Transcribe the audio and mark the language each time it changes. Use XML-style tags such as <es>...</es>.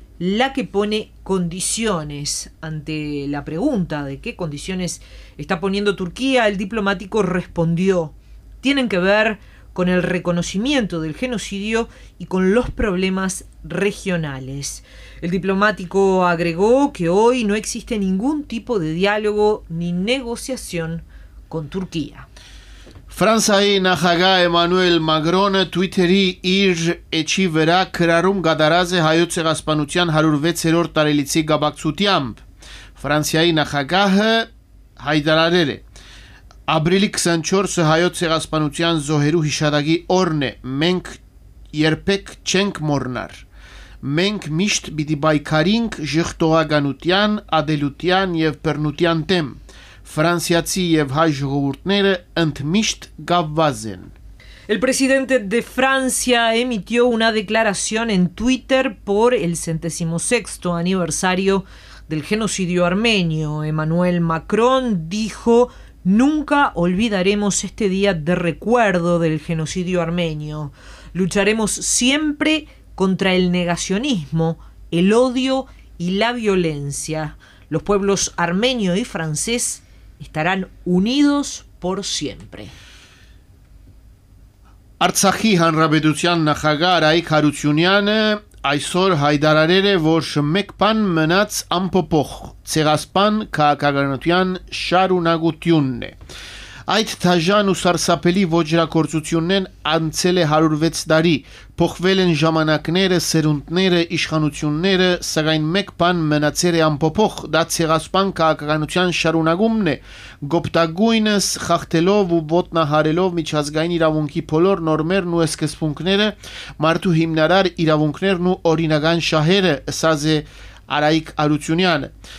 <es>la que pone condiciones. Ante la pregunta de qué condiciones está poniendo Turquía, el diplomático respondió: tienen que ver con el reconocimiento del genocidio y con los problemas regionales. El diplomático agregó que hoy no existe ningún tipo de diálogo ni negociación con Turquía.</es> <hy>Franța e nahaga Emmanuel Macron Twitter-i իր էջի վրա գրառում կատարած է հայոց ցեղասպանության 106-րդ տարելիցի գաբակցությամբ։ Ֆրանսիայի նախագահը հայտարարել է. Ապրիլի 24-ը հայոց ցեղասպանության զոհերու հիշատակի օրն է։ Մենք երբեք չենք մոռնար։ Մենք միշտ պիտի պայքարենք ժխտողականության, ադելության և բռնության դեմ։</hy> <es>Francia y Gavazen. El presidente de Francia emitió una declaración en Twitter por el 106º aniversario del genocidio armenio. Emmanuel Macron dijo: nunca olvidaremos este día de recuerdo del genocidio armenio. Lucharemos siempre contra el negacionismo, el odio y la violencia. Los pueblos armenio y francés estarán unidos por siempre.</es> <hy>Արցախի հանրապետության նախագահ Արայիկ Հարությունյանը այսօր հայտարարել է, որ մեկ բան մնաց անփոփոխ. ցեղասպան քաղաքականության շարունակությունն է. Այդ թաժան ու սարսափելի ոչրագործությունն անցել է 106 տարի, փոխվել են ժամանակները, սերունդները, իշխանությունները, սակայն մեկ բան մնացել է անփոփոխ, դա ցեղասպան քաղաքականության շարունակումն է, գոպտագույնս խախտելով ու ոտնահարելով միջազգային իրավունքի բոլոր նորմերն ու սկզբունքները, մարդու հիմնարար իրավունքներն ու օրինական շահերը, ասաց Արայիկ Արությունյանը.</hy>